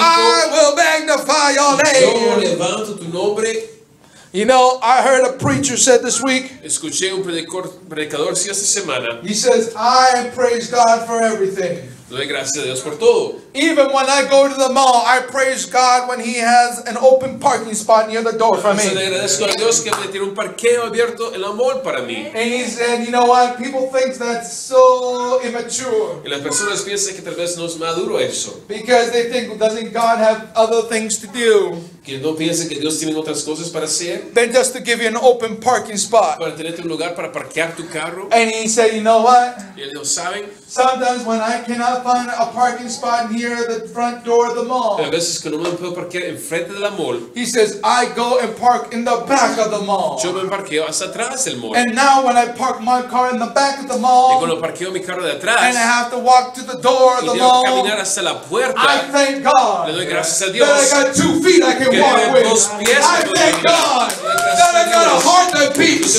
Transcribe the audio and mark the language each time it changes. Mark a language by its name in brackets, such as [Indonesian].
[English] I will magnify your name." You know, I heard a preacher said this week. [Spanish] Escuché un predicador esta semana. [English] He says, "I praise God for everything." [Spanish] Doy gracias a Dios por todo. [English] Even when I go to the mall, I praise God when He has an open parking spot near the door for me. [Spanish] Le agradezco a Dios que me tiene un parqueo abierto en el mall para mí. [English] And he said, "You know what? People think that's so immature." [Spanish] Y las personas piensan que tal vez no es maduro eso. [English] Because they think, doesn't God have other things to do? [Spanish] Que no piensen que Dios tiene otras cosas para hacer. [English] Then just to give you an open parking spot. [Spanish] Para tenerte un lugar para parquear tu carro. [English] And he said, "You know what? [Spanish] Y él dijo, ¿saben? [English] Sometimes when I cannot find a parking spot near the front door of the mall." [Spanish] A veces que no me puedo parquear en frente de la mall. [English] He says, "I go and park in the back of the mall." [Spanish] Yo me parqueo hasta atrás del mall. [English] And now when I park my car in the back of the mall. [Spanish] Y cuando parqueo mi carro de atrás. [English] And I have to walk to the door of the mall. [Spanish] Y tengo que caminar hasta la puerta. [English] I thank God. [Spanish] Le doy gracias a Dios. [English] That I got 2 feet I can walk with. I thank God that I got a heart that beats.